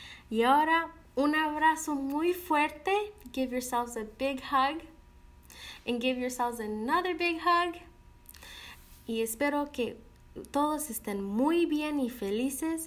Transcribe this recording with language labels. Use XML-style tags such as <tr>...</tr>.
<es>Y ahora, un abrazo muy fuerte.</es> <en>Give yourselves a big hug. And give yourselves another big hug.</en> <es>Y espero que todos estén muy bien y felices.</es>